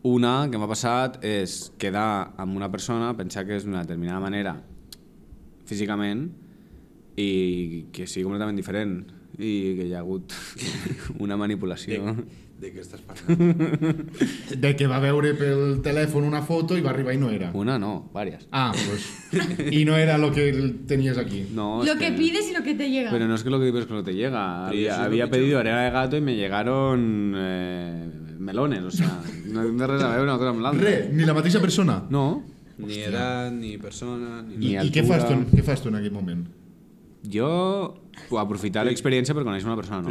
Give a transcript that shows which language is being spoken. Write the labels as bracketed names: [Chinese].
[Catalan] Una que m'ha passat és quedar amb una persona, pensar que és d'una determinada manera físicament i que sigui completament diferent i que hi ha hagut una manipulació. De què estàs parlant? De que va veure pel telèfon una foto i va arribar i no era. Una no, diverses. Ah, doncs... Pues, i no era el que tenies aquí. No, [Spanish] lo que pides i lo que te llega. [Catalan] Però no és [Spanish] que lo que pides que no te llega. Havia pedido arena de gato i me llegaron melones, o sea... [Catalan] No tenia res a veure una cosa amb l'altra. Res, ni la mateixa persona? No. Ni edat, ni persona, ni altura... I què fas tu en aquest moment? Jo... aprofitar l'experiència per conèixer una persona nova.